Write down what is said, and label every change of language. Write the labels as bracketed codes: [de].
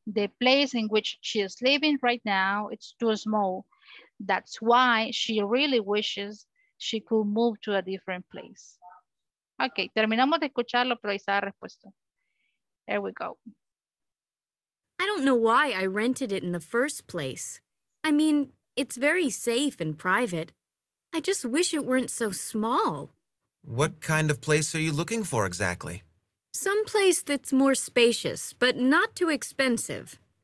[en] The place in which she is living right now, it's too small. That's why she really wishes she could move to a different place. [es] Ok, terminamos de escucharlo, pero ahí está la respuesta. [en] There we go. I don't know why I rented it in the first place. I mean, it's very safe and private. I just wish it weren't so small. What kind of place are you looking for exactly? Some place that's more spacious, but not too expensive.